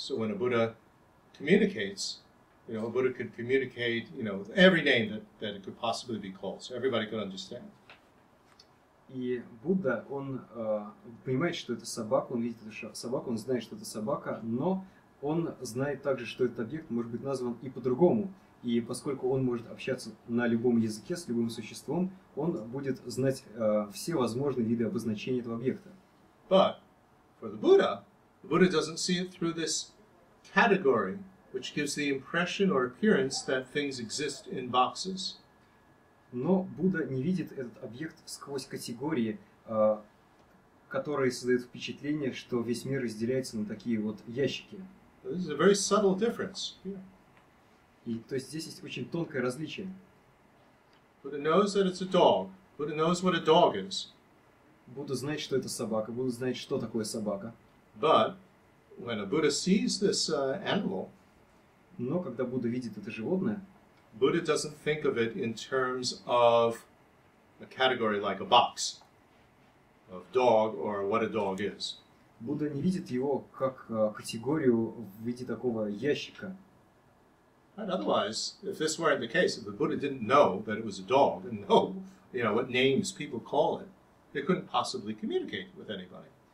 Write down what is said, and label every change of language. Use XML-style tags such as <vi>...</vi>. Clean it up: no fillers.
<en>So when a Buddha communicates, you know, a Buddha could communicate, you know, with every name that, that it could possibly be called. So everybody could understand.</en> <ru>И Будда, он понимает, что это собака, он видит эту собаку, он знает, что это собака, но он знает также, что этот объект может быть назван и по-другому. И поскольку он может общаться на любом языке с любым существом, он будет знать все возможные виды обозначения этого объекта.</ru> <en>But for the Buddha doesn't see it through this category, which gives the impression or appearance that things exist in boxes.</en> <ru>Но Будда не видит этот объект сквозь категории, которые создают впечатление, что весь мир разделяется на такие вот ящики.</ru> <en>This is a very subtle difference.</en> <ru>И то есть здесь есть очень тонкое различие.</ru> <en>Buddha knows that it's a dog. Buddha knows what a dog is.</en> <ru>Будда знает, что это собака. Будда знает, что такое собака.</ru> <en>But when a Buddha sees this animal,</en> <ru>но когда Будда видит это животное,</ru> <en>Buddha doesn't think of it in terms of a category like a box of dog or what a dog is.</en> <ru>Будда не видит его как категорию в виде такого ящика.</ru> <en>And otherwise, if this weren't the case, if the Buddha didn't know that it was a dog and know, you know, what names people call it, they couldn't possibly communicate with anybody.</en>